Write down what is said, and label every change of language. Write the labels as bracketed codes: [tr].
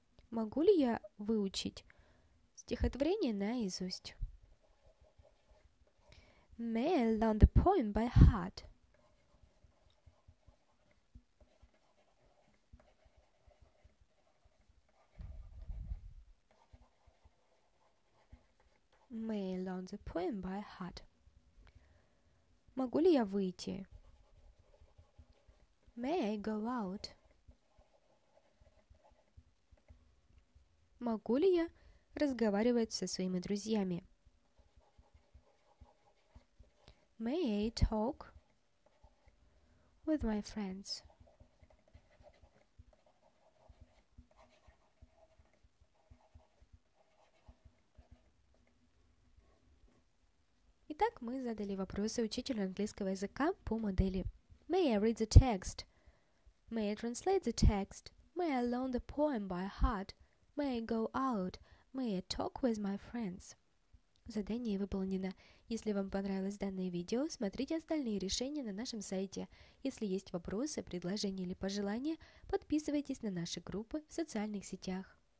[ru] Могу ли я выучить стихотворение наизусть? [en] May I learn the poem by heart? May I learn the poem by heart? [ru] Могу ли я выйти? [en] May I go out? [ru] Могу ли я разговаривать со своими друзьями? [en] May I talk with my friends? [ru] Итак, мы задали вопросы учителю английского языка по модели. [en] May I read the text? May I translate the text? May I learn the poem by heart? May I go out? May I talk with my friends? [ru] Задание выполнено. Если вам понравилось данное видео, смотрите остальные решения на нашем сайте. Если есть вопросы, предложения или пожелания, подписывайтесь на наши группы в социальных сетях.